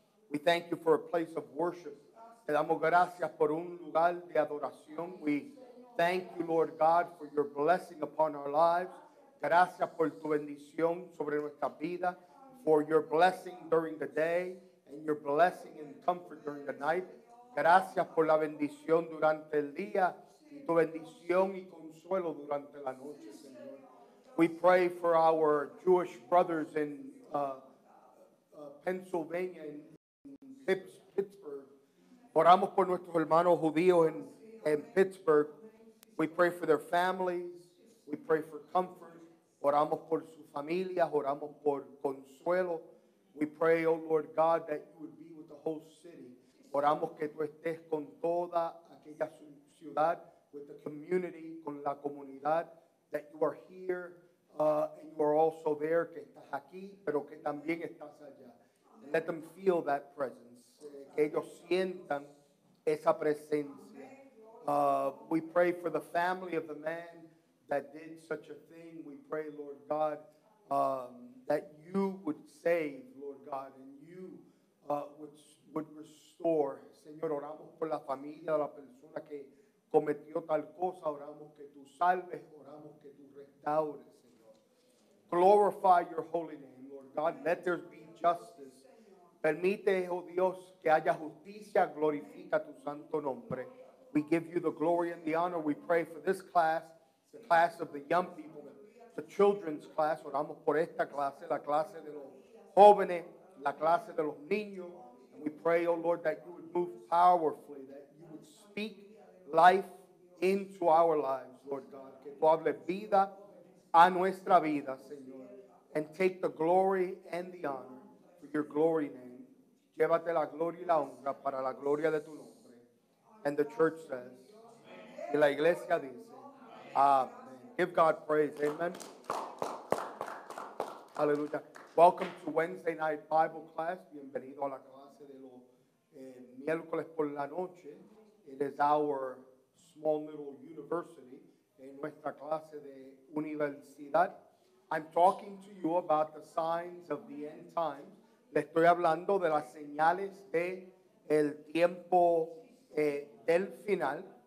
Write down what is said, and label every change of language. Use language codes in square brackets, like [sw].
[en] We thank you for a place of worship. [es] Te damos gracias por un lugar de adoración. [en] We thank you, Lord God, for your blessing upon our lives. [es] Gracias por tu bendición sobre nuestra vida. [en] For your blessing during the day and your blessing and comfort during the night. [es] Gracias por la bendición durante el día y tu bendición y consuelo durante la noche, Señor. [en] We pray for our Jewish brothers in Pennsylvania and Pittsburgh. [es] Oramos por nuestros hermanos judíos en Pittsburgh. [en] We pray for their families. We pray for comfort. [es] Oramos por sus familias. Oramos por consuelo. [en] We pray, oh Lord God, that you would be with the whole city. [es] Oramos que tú estés con toda aquella ciudad, [en] with the community, [es] con la comunidad, [en] that you are here, and you are also there, [es] que estás aquí, pero que también estás allá. [en] Let them feel that presence. [es] Que ellos sientan esa presencia. [en] We pray for the family of the man that did such a thing. We pray, Lord God, that you would save, Lord God, and you would restore. [es] Señor, oramos por la familia de la persona que cometió tal cosa. Oramos que tú salves. Oramos que tú restaures, Señor. [en] Glorify your holy name, Lord God. Let there be justice. [es] Permite, oh Dios, que haya justicia. Glorifica tu santo nombre. [en] We give you the glory and the honor. We pray for this class, the class of the young people, the children's class. [es] Oramos por esta clase, la clase de los jóvenes, la clase de los niños. [en] And we pray, oh Lord, that you would move powerfully, that you would speak life into our lives, Lord God. [es] Que tú hables vida a nuestra vida, Señor. [en] And take the glory and the honor for your glory name. [es] Llévate la gloria y la honra para la gloria de tu nombre. [en] And the church says, [es] y la iglesia dice, [en] amen. Give God praise, amen. Hallelujah. Welcome to Wednesday night Bible class. [es] Bienvenido a la clase de los miércoles por la noche. [en] It is our small little university. [es] En nuestra clase de universidad. [en] I'm talking to you about the signs of the end times. [es] Le estoy hablando de las señales de el tiempo del final.